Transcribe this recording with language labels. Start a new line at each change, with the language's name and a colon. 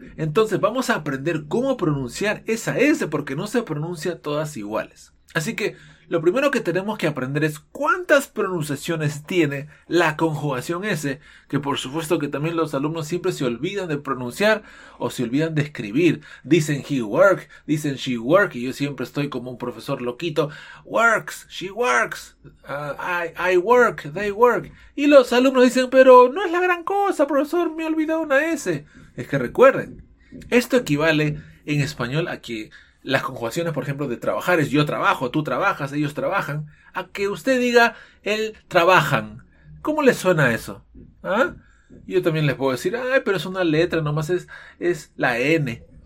Spanish: Entonces vamos a aprender cómo pronunciar esa S porque no se pronuncia todas iguales. Así que lo primero que tenemos que aprender es cuántas pronunciaciones tiene la conjugación S, que por supuesto que también los alumnos siempre se olvidan de pronunciar o se olvidan de escribir. Dicen
English: he work,
Spanish: dicen
English: she work,
Spanish: y yo siempre estoy como un profesor loquito.
English: Works, she works, I work, they work.
Spanish: Y los alumnos dicen, pero no es la gran cosa, profesor, me he olvidado una S. Es que recuerden, esto equivale en español a que las conjugaciones, por ejemplo, de trabajar es yo trabajo, tú trabajas, ellos trabajan, a que usted diga él trabajan. ¿Cómo le suena eso? ¿Ah? Yo también les puedo decir, ay, pero es una letra, nomás es la N.